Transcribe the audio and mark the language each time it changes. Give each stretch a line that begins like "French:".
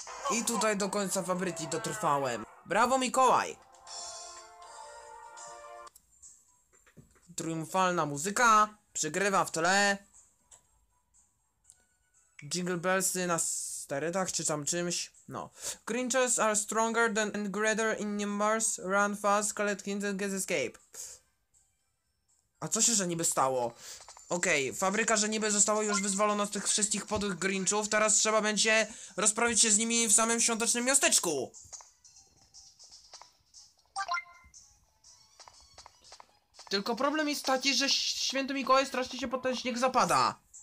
Polish: I tutaj do końca fabryki dotrwałem. Brawo, Mikołaj! Triumfalna muzyka przygrywa w tle. Jingle bellsy na sterydach czy tam czymś. No.
English: Grinches are stronger than and greater in numbers. Run fast, collect hints and get escape.
Polish: A co się, że niby stało? Okej, okay, fabryka, że niby została już wyzwolona z tych wszystkich podłych Grinchów. Teraz trzeba będzie rozprawić się z nimi w samym świątecznym miasteczku. Tylko problem jest taki, że Święty Mikołaj strasznie się pod ten śnieg zapada.